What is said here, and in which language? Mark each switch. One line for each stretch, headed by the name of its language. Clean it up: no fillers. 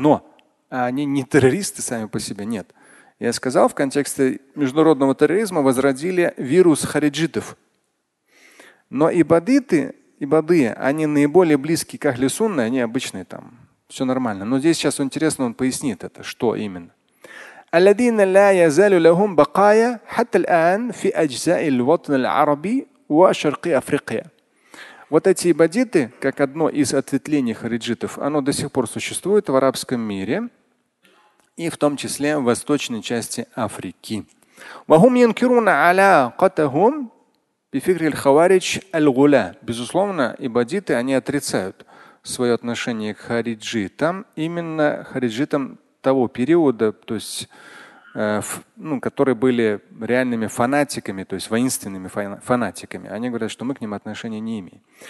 Russian: Но они не террористы сами по себе, нет. Я сказал, в контексте международного терроризма возродили вирус хариджитов. Но ибадиты, ибадия, они наиболее близки к ахли сунны, они обычные там, все нормально. Но здесь сейчас интересно, он пояснит это, что именно.
Arabic: الذين لا يزال لهم بقايا حتى الآن في أجزاء الوطن العربي وشرق أفريقيا.
Russian: Вот эти ибадиты, как одно из ответвлений хариджитов, оно до сих пор существует в арабском мире и в том числе в восточной части Африки.
Arabic: وهم ينكرون علاقتهم بفكر الخوارج الغلاة.
Russian: Безусловно, ибадиты, они отрицают свое отношение к хариджитам, именно хариджитам того периода, то есть, ну, которые были реальными фанатиками, то есть воинственными фанатиками. Они говорят, что мы к ним отношения не имеем.